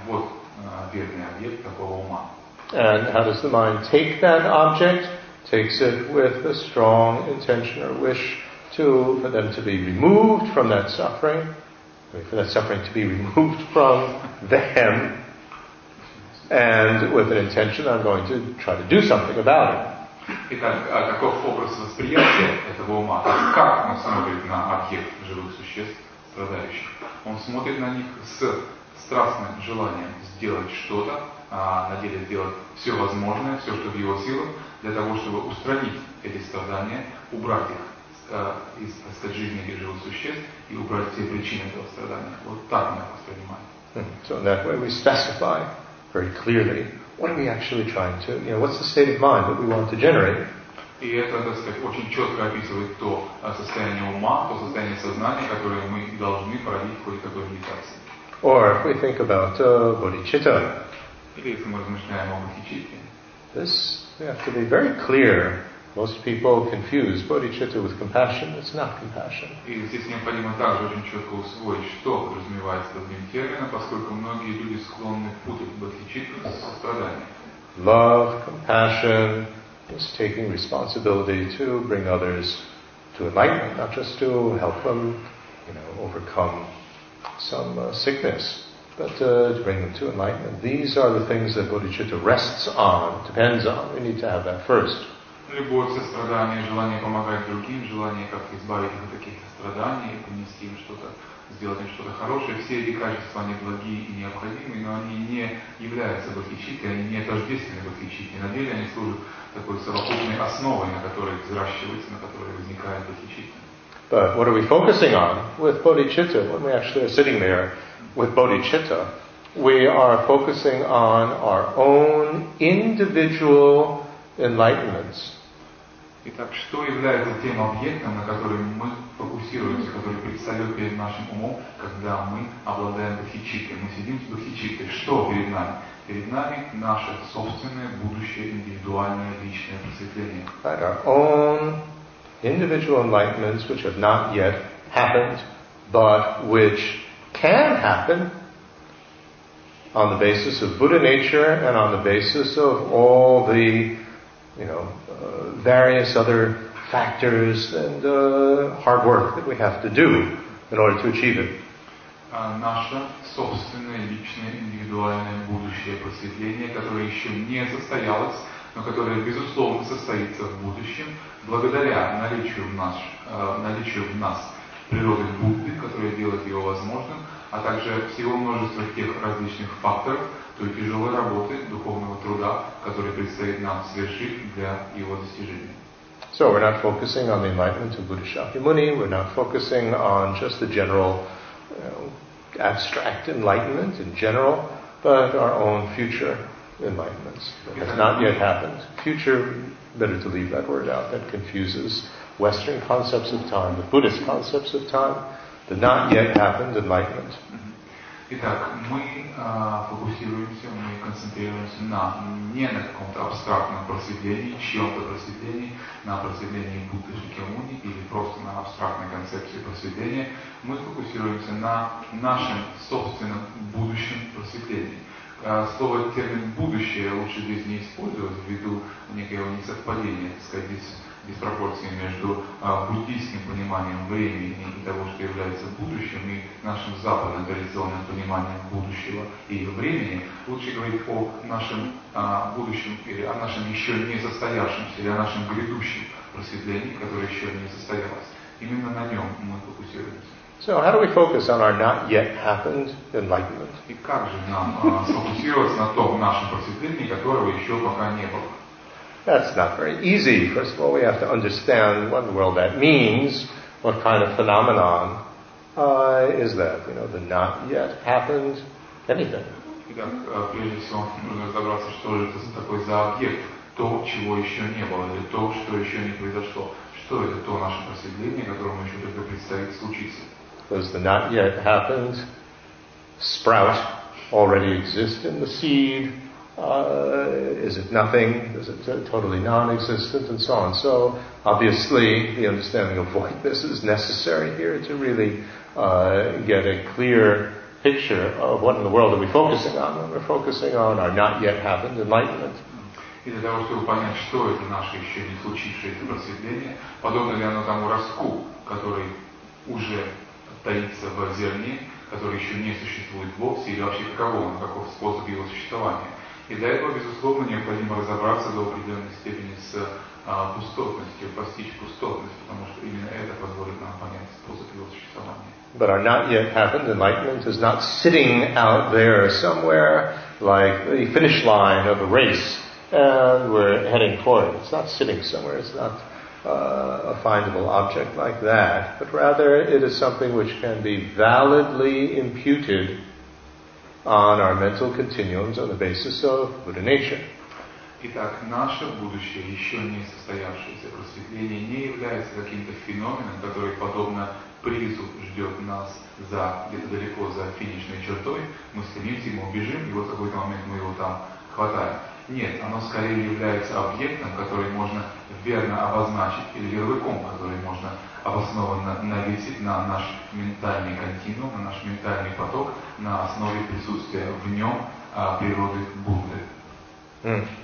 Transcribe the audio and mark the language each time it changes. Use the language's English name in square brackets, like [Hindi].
[Russian] Вот верный объект такого ума. [English] And how does the mind take that object? Takes it with a strong intention or wish to, for them to be removed from that suffering. For that suffering to be removed from them, and with an intention, I'm going to try to do something about it. [Russian] Итак, каков образ восприятия этого ума? Как он смотрит на объект живых существ, страдающих? Он смотрит на них с страстным желанием сделать что-то, на деле сделать все возможное, все, что в его силах, для того, чтобы устранить эти страдания, убрать их из жизни этих живых существ и убрать все причины этого страдания. Вот так мы воспринимаем. [English] So in that way we specify very clearly what are we actually trying to, what's the state of mind that we want to generate. [Russian] И это, так сказать, очень четко описывает то состояние ума, то состояние сознания, которое мы должны пролить в ходе такой медитации. [English] Or if we think about bodhicitta. [Russian] Или если мы размышляем о бодхичитте. [English] This, we have to be very clear. Most people confuse bodhicitta with compassion. It's not compassion. [Russian] И здесь необходимо также очень четко усвоить, что подразумевается под этим термином, поскольку многие люди склонны путать бодхичитту с состраданием. [English] Love, compassion, is taking responsibility to bring others to enlightenment, not just to help them, overcome some sickness, but to bring them to enlightenment. These are the things that bodhicitta rests on, depends on. We need to have that first. [Russian] Любовь, сострадание, желание помогать другим, желание как-то избавить их от каких-то страданий и принести им что-то, сделать им что-то хорошее. Все эти качества, они благие и необходимые, но они не являются бодхичиттой, они не тождественны бодхичитте. На деле они служат такой совокупной основой, на которой взращивается, на которой возникает бодхичитта. [English] But what are we focusing on with bodhicitta? When we actually are sitting there with bodhicitta, we are focusing on our own individual enlightenments. [Russian] Итак, что является тем объектом, на который мы фокусируемся, который предстает перед нашим умом, когда мы обладаем духичиттой, мы сидим с духичиттой? Что перед нами? Перед нами наше собственное будущее индивидуальное личное просветление. [English] Like our own individual enlightenments, which have not yet happened, but which can happen on the basis of Buddha nature and on the basis of all the, you know, various other factors and hard work that we have to do in order to achieve it. [Russian] Наше собственное, личное, индивидуальное будущее просветление, которое еще не состоялось, но которое, безусловно, состоится в будущем, благодаря наличию в нас природы Будды, которая делает его возможным, а также всего множества тех различных факторов, той тяжелой работы, духовного труда, который предстоит нам совершить для его достижения. [English] So we're not focusing on the enlightenment of Buddha Shakyamuni, we're not focusing on just the general, abstract enlightenment in general, but our own future enlightenments. It has not yet happened. Future, better to leave that word out, that confuses Western concepts of time, the Buddhist concepts of time, the not yet happened enlightenment. [Russian] Итак, мы фокусируемся, мы концентрируемся не на каком-то абстрактном просветлении, чьем-то просветлении, на просветлении Будды Шакьямуни или просто на абстрактной концепции просветления. Мы фокусируемся на нашем собственном будущем просветлении. Слово термин «будущее» лучше здесь не использовать ввиду некоего несовпадения, так сказать, диспропорции между буддийским пониманием времени и того, что является будущим, и нашим западным традиционным пониманием будущего и времени. Лучше говорить о нашем будущем или о нашем еще не состоявшемся, или о нашем грядущем просветлении, которое еще не состоялось. Именно на нем мы фокусируемся. [English] So how do we focus on our not yet happened enlightenment? [Russian] И как же нам сфокусироваться на том нашем просветлении, которого еще пока не было? [English] That's not very easy. First of all, we have to understand what in the world that means, what kind of phenomenon is that, you know, the not yet happened anything. [Russian] Итак, прежде всего, нужно разобраться, что же это такое за объект, то, чего еще не было, или то, что еще не произошло. Что это то наше просветление, которому еще только предстоит случиться? [English] Does the not yet happened sprout already exist in the seed? Is it nothing? Is it totally non-existent? And so on. So, obviously, the understanding of voidness is necessary here to really get a clear picture of what in the world are we focusing on when we're focusing on our not-yet-happened enlightenment. [Russian] И для того, чтобы понять, что это наше еще не случившееся просветление, подобно ли оно тому ростку, который уже таится в зерне, который еще не существует вовсе, или вообще каково оно, каков способ его существования. И для этого, безусловно, необходимо разобраться до определенной степени с пустотностью, постичь пустотность, потому что именно это позволит нам понять способ его существования. [English] But our not yet happened enlightenment is not sitting out there somewhere like the finish line of a race and we're heading for it. It's not sitting somewhere. It's not a findable object like that. But rather, it is something which can be validly imputed on our mental continuums on the basis of Buddha nature. [Russian] Итак, наше будущее, еще не состоявшееся просветление, не является каким-то феноменом, который подобно призу ждет нас за где-то далеко за финишной чертой. Мы стремимся, мы убежим, и вот в какой-то момент мы его там хватаем. Нет, оно скорее является объектом, который можно верно обозначить, или ярлыком, который можно обоснованно навесить на наш ментальный континуум, на наш ментальный поток, на основе присутствия в нем природы Будды.